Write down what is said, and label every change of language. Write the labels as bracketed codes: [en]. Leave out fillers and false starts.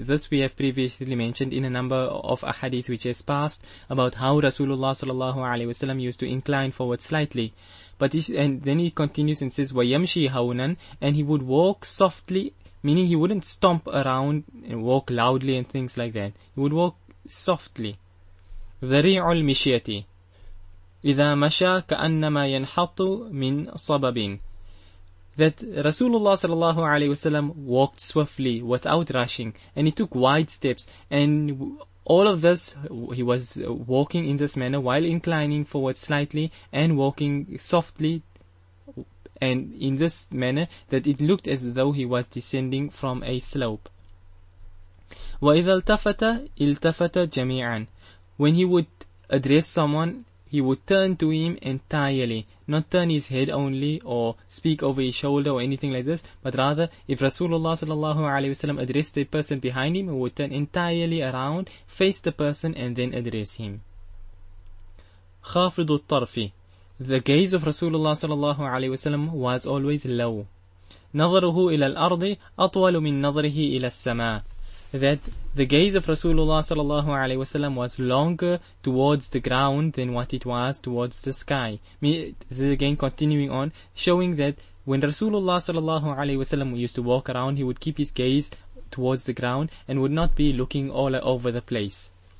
[en] This we have previously mentioned in a number of ahadith which has passed about how Rasulullah sallallahu alaihi wasallam used to incline forward slightly. But then he continues and says, [ar] "Wa yamshi hawnan," [en] and he would walk softly meaning he wouldn't stomp around and walk loudly and things like that. He would walk softly. [ar] ذريع المشيتي إذا مشى كأنما ينحط من صببين. [en] That Rasulullah sallallahu alayhi wasallam walked swiftly without rushing, and he took wide steps, and all of this he was walking in this manner while inclining forward slightly and walking softly, and in this manner that it looked as though he was descending from a slope. [ar] وإذا التفت التفت جميعا. [en] When he would address someone, he would turn to him entirely. Not turn his head only or speak over his shoulder or anything like this. But rather, if Rasulullah sallallahu alayhi wasallam addressed the person behind him, he would turn entirely around, face the person and then address him. [ar] خافض الطرف. [en] The gaze of Rasulullah sallallahu alayhi wasallam was always low. [ar] نظره إلى الأرض أطول من نظره إلى السماء. [en] That the gaze of Rasulullah sallallahu alaihi wasallam was longer towards the ground than what it was towards the sky. This is again continuing on, showing that when Rasulullah sallallahu alaihi wasallam used to walk around, he would keep his gaze towards the ground and would not be looking all over the place.